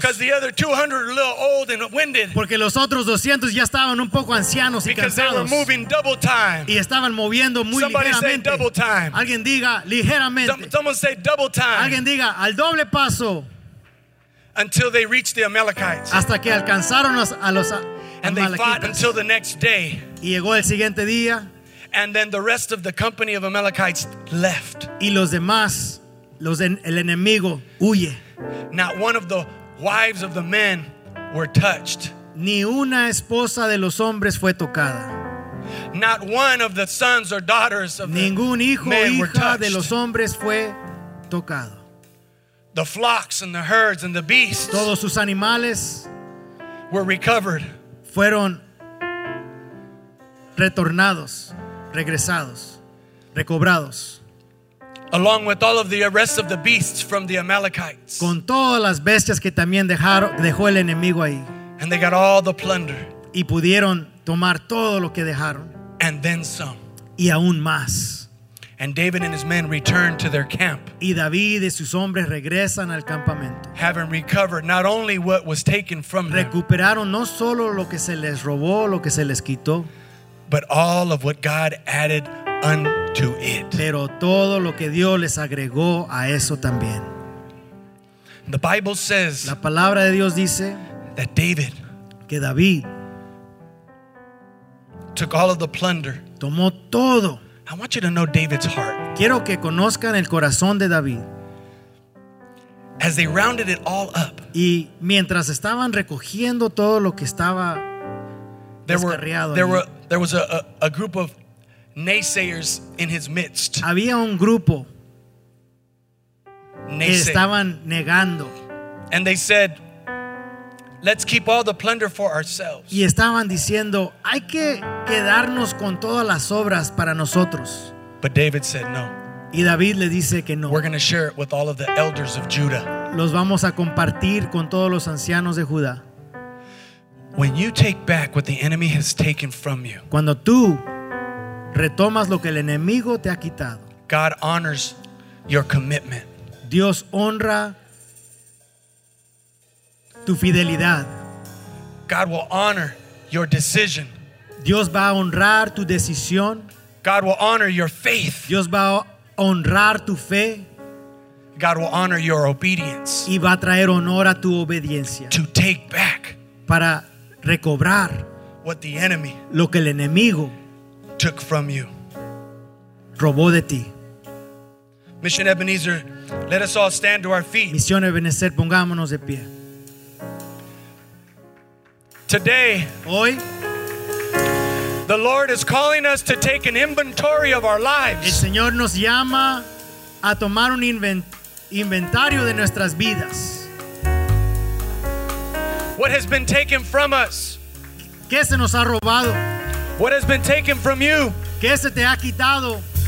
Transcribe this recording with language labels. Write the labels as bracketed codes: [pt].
[en] Because the other 200 were a little old and winded. [es] Porque los otros 200 ya estaban un poco ancianos y [en] because [es] cansados. [en] They were moving double time. [es] Y estaban moviendo muy [en] somebody [es] ligeramente. [en] Somebody say double time. [es] Alguien diga ligeramente. [en] Someone say double time. [es] Alguien diga al doble paso. [en] Until they reached the Amalekites. [es] Hasta que alcanzaron a los [en] and they fought until the next day. [es] Y llegó el siguiente día. [en] And then the rest of the company of Amalekites left. [es] Y los demás, el enemigo huye. [en] Not one of the wives of the men were touched. [es] Ni una esposa de los hombres fue tocada. [en] Not one of the sons or daughters of [es] ningún hijo [en] the men [es] o hija [en] were touched. [es] De los hombres fue tocado. [en] The flocks and the herds and the beasts. [es] Todos sus animales [en] were recovered. [es] Fueron retornados, regresados, recobrados. [en] Along with all of the rest of the beasts from the Amalekites. [es] Con todas las bestias que también dejó el enemigo ahí. [en] And they got all the plunder. [es] Y pudieron tomar todo lo que dejaron. [en] And then some. [es] Y aún más. [en] And David and his men returned to their camp. [es] Y David y sus hombres regresan al campamento. [en] Having recovered not only what was taken from them. [es] Recuperaron no solo lo que se les robó, lo que se les quitó. [en] But all of what God added unto it. [es] Pero todo lo que Dios les agregó a eso también. [en] The Bible says. [es] La palabra de Dios dice. [en] That David. [es] Que David. [en] Took all of the plunder. [es] Tomó todo. [en] I want you to know David's heart. [es] Quiero que conozcan el corazón de David. [en] As they rounded it all up. [es] Y mientras estaban recogiendo todo lo que estaba descarriado. [en] There was a group of naysayers in his midst. [es] Había un grupo [en] naysay. [es] Que estaban negando. [en] And they said, "Let's keep all the plunder for ourselves." [es] Y estaban diciendo, hay que quedarnos con todas las obras para nosotros. [en] But David said no. [es] Y David le dice que no. [en] We're going to share it with all of the elders of Judah. [es] Los vamos a compartir con todos los ancianos de Judá. [en] When you take back what the enemy has taken from you. [es] Cuando tú retomas lo que el enemigo te ha quitado. [en] God honors your commitment. [es] Dios honra tu fidelidad. [en] God will honor your decision. [es] Dios va a honrar tu decisión. [en] God will honor your faith. [es] Dios va a honrar tu fe. [en] God will honor your obedience. [es] Y va a traer honor a tu obediencia. [en] To take back. [es] Para recobrar. [en] what the enemy, [es] lo que el enemigo, [en] took from you, [es] robó de ti. [en] Mission Ebenezer, let us all stand to our feet. [es] Misión Ebenezer, pongámonos de pie. [en] Today, [es] hoy, [en] the Lord is calling us to take an inventory of our lives. [es] El Señor nos llama a tomar un inventario de nuestras vidas. [en] What has been taken from us? [es] ¿Qué se nos ha robado? [en] What has been taken from you? [es] ¿Qué se te ha quitado?